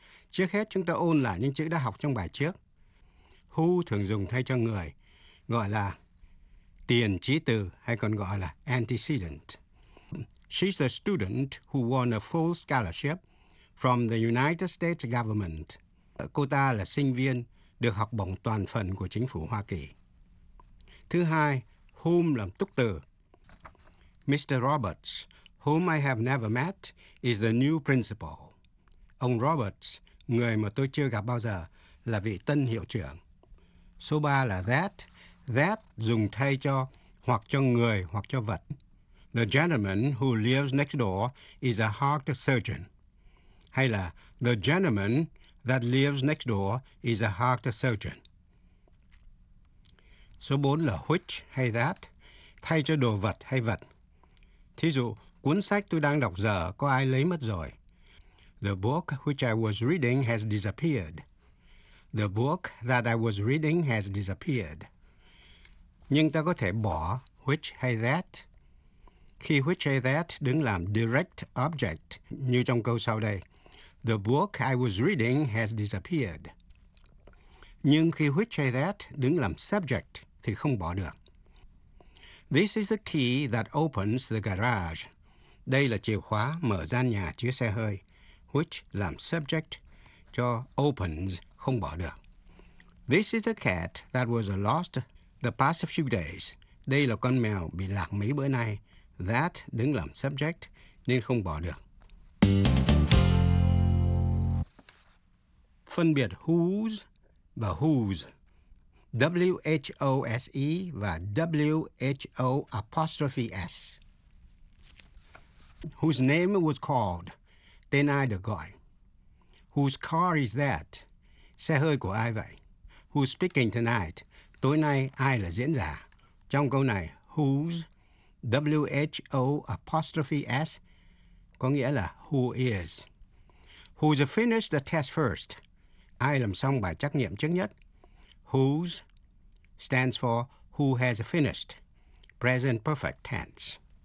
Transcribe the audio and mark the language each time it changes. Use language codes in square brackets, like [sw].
[vi] Trước hết, chúng ta ôn lại những chữ đã học trong bài trước. Who thường dùng thay cho người, gọi là tiền chí từ, hay còn gọi là antecedent. [en] She's the student who won a full scholarship from the United States government. [vi] Cô ta là sinh viên được học bổng toàn phần của chính phủ Hoa Kỳ. Thứ hai, whom làm túc từ. Mr. [en] Roberts, whom I have never met, is the new principal. [vi] Ông Roberts, người mà tôi chưa gặp bao giờ, là vị tân hiệu trưởng. Số 3 là that. That dùng thay cho hoặc cho người hoặc cho vật. [en] The gentleman who lives next door is a heart surgeon. [vi] Hay là [en] the gentleman that lives next door is a heart surgeon. [vi] Số 4 là which hay that, thay cho đồ vật hay vật. Thí dụ, cuốn sách tôi đang đọc giờ có ai lấy mất rồi. [en] The book which I was reading has disappeared. The book that I was reading has disappeared. [vi] Nhưng ta có thể bỏ which hay that. Khi which hay that đứng làm direct object, như trong câu sau đây. [en] The book I was reading has disappeared. [vi] Nhưng khi which hay that đứng làm subject thì không bỏ được. [en] This is the key that opens the garage. [vi] Đây là chìa khóa mở gian nhà chứa xe hơi. Which làm subject cho opens, không bỏ được. [en] This is the cat that was lost the past few days. [vi] Đây là con mèo bị lạc mấy bữa nay. That đứng làm subject nên không bỏ được. Phân biệt whose và whose, W-H-O-S-E và W-H-O apostrophe S. [en] Whose name was called, [vi] tên ai được gọi. [en] Whose car is that, [vi] xe hơi của ai vậy. [en] Who's speaking tonight, [vi] tối nay ai là diễn giả. Trong câu này, whose, W-H-O apostrophe S, có nghĩa là who is. [en] Who's finished the test first, [vi] ai làm xong bài trắc nghiệm trước nhất. [en] Whose stands for who has finished, present perfect tense.